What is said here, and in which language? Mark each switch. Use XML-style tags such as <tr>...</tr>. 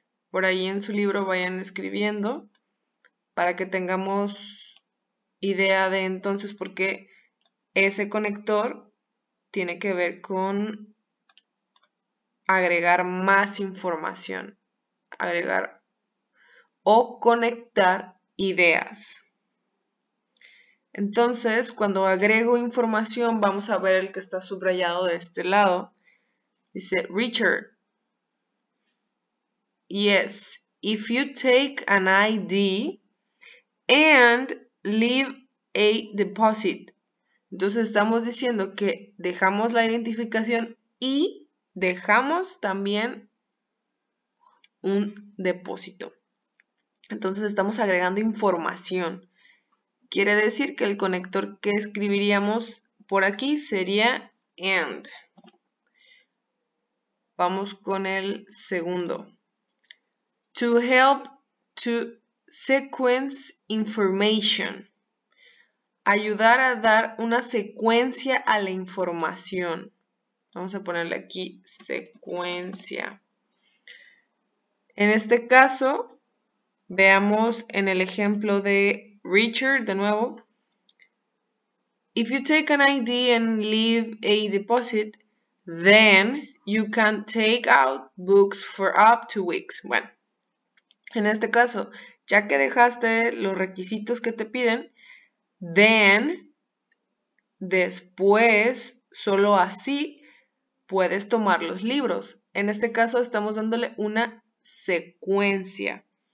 <es>Por ahí en su libro vayan escribiendo para que tengamos idea de entonces por qué ese conector tiene que ver con agregar más información. Agregar o conectar ideas. Entonces, cuando agrego información, vamos a ver el que está subrayado de este lado. Dice Richard.</es> <en>Yes, if you take an ID and leave a deposit.</en> <es>Entonces, estamos diciendo que dejamos la identificación y dejamos también un depósito. Entonces estamos agregando información. Quiere decir que el conector que escribiríamos por aquí sería and. Vamos con el segundo.</es> <en>To help to sequence information.</en> <es>Ayudar a dar una secuencia a la información. Vamos a ponerle aquí secuencia. En este caso, veamos en el ejemplo de Richard de nuevo.</es> <en>If you take an ID and leave a deposit, then you can take out books for up to weeks.</en> <es>Bueno, en este caso, ya que dejaste los requisitos que te piden, then, después, solo así puedes tomar los libros. En este caso, estamos dándole una secuencia.</es>